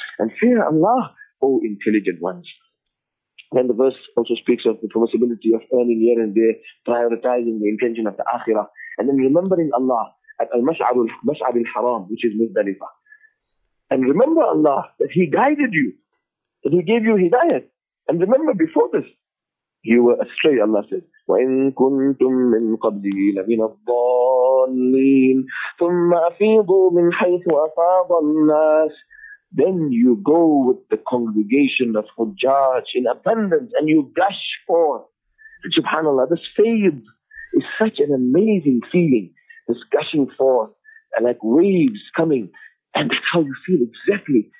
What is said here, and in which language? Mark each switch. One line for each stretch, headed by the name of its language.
English: And fear Allah, O intelligent ones. Then the verse also speaks of the permissibility of earning here and there, prioritizing the intention of the akhirah, and then remembering Allah at Al-Mash'ar al-Haram, which is Muzdalifah. And remember Allah, that He guided you, that He gave you hidayat. And remember before this, you were astray, Allah says.
Arabic: وَإِن كُنْتُمْ مِنْ قَبْلِهِ لَمِنَ الضَّالِّينَ. الضالين ثم أفيضوا من حيث أفاض الناس.
English: Then you go with the congregation of Hujjaj in abundance and you gush forth. SubhanAllah, this faith is such an amazing feeling. This gushing forth and like waves coming. And that's how you feel exactly.